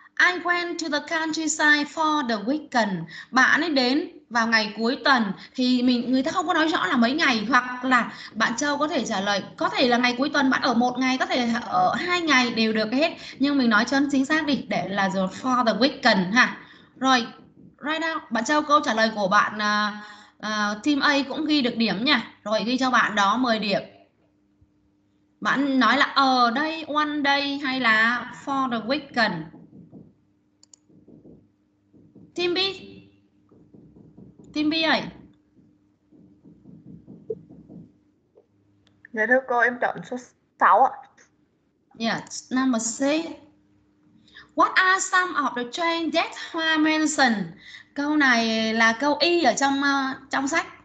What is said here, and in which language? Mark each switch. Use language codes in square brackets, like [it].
[en] I went to the countryside for the weekend. [vi] Bạn ấy đến vào ngày cuối tuần thì mình người ta không có nói rõ là mấy ngày, hoặc là bạn Châu có thể trả lời có thể là ngày cuối tuần, bạn ở một ngày, có thể ở hai ngày đều được hết, nhưng mình nói cho nó chính xác đi để là [en] for the weekend [vi] ha. Rồi, [en] right now [vi] bạn Châu, câu trả lời của bạn team A cũng ghi được điểm nha. Rồi ghi cho bạn đó 10 điểm. Bạn nói là ở đây, [en] one day [vi] hay là [en] for the weekend? [vi] Team B ơi. Dạ thưa cô, em chọn số 6 ạ. [en] Yes, number 6. What are some of the trains that Hoa mentioned? [vi] Câu này là câu Y ở trong trong sách.